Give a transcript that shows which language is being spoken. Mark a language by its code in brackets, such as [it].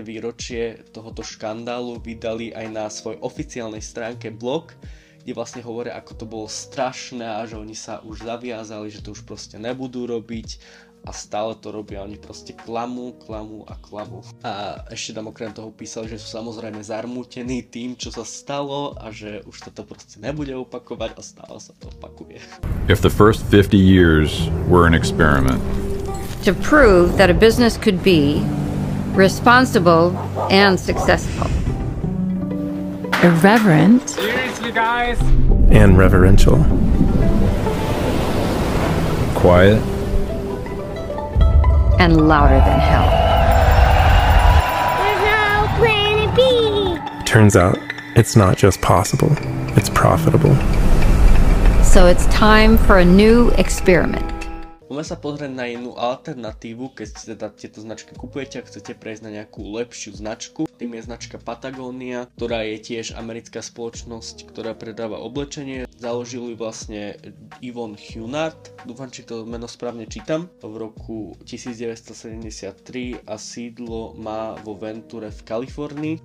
[sk] výročie tohoto škandálu vydali aj na svojej oficiálnej stránke blog, kde vlastne hovoria, ako to bolo strašné a že oni sa už zaviazali, že to už proste nebudú robiť a stále to robia. Oni proste klamú. A ešte tam okrem toho písali, že sú samozrejme zarmútení tým, čo sa stalo a že už toto proste nebude opakovať a stále sa to opakuje. [en] If the first 50 years were an experiment to prove that a business could be responsible and successful. Irreverent. Guys. And reverential. Quiet. And louder than hell. There's no plan B. Turns out, it's not just possible, it's profitable. So it's time for a new experiment. [sk] Poďme sa pozrieť na jednu alternatívu, keď si teda tieto značky kupujete a chcete prejsť na nejakú lepšiu značku. Tým je značka Patagonia, ktorá je tiež americká spoločnosť, ktorá predáva oblečenie. Založil ju vlastne Yvon Hunard, dúfam, či to meno správne čítam, v roku 1973 a sídlo má vo Venture v Kalifornii.